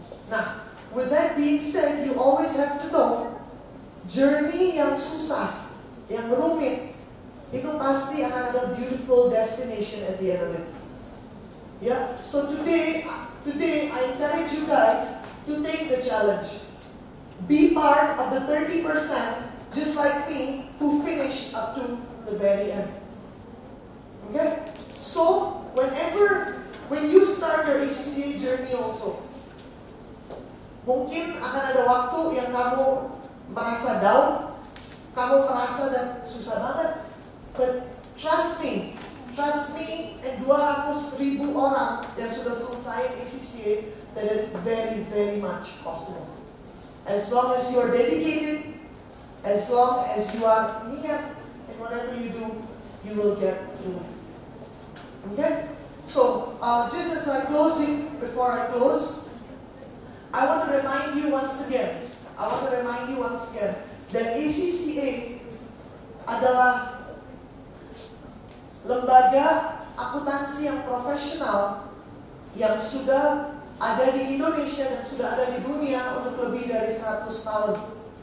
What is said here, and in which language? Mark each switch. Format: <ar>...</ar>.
<en>Now, with that being said, you always have to know, journey</en> <id>yang susah, yang rumit, itu pasti akan ada</id> <en>beautiful destination at the end of it. Yeah, so today I encourage you guys to take the challenge. Be part of the 30% just like me who finished up to the very end. Okay? So, when you start your ACCA journey also,</en> <id>mungkin akan ada waktu yang kamu merasa down, kamu merasa dan susah banget.</id> <en>But trust me, and 200,000</en> <id>orang yang sudah selesai</id> <en>ACCA, that it's very, very much possible. As long as you are dedicated, as long as you are niat, and whatever you do, you will get through. Okay? So, just as I closing, before I close, I want to remind you once again, that</en> <id>ACCA adalah lembaga akuntansi yang profesional yang sudah ada di Indonesia dan sudah ada di dunia untuk lebih dari 100 tahun.</id>